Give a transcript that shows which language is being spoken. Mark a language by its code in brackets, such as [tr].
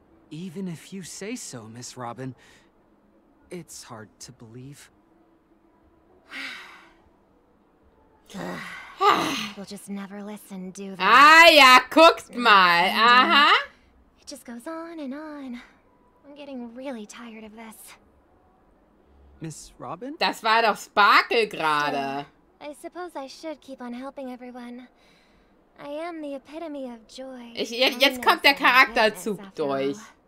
[en] Even if you say so, Miss Robin, it's hard to believe. We'll just never listen, do they? [de] Ah, ja, guckst mal. Aha. [en] It just goes on and on. I'm getting really tired of this. Miss Robin? [de] Das war doch Sparkle gerade. [en] I suppose I should keep on helping everyone. I am the epitome of joy. [de] Jetzt kommt der Charakterzug durch.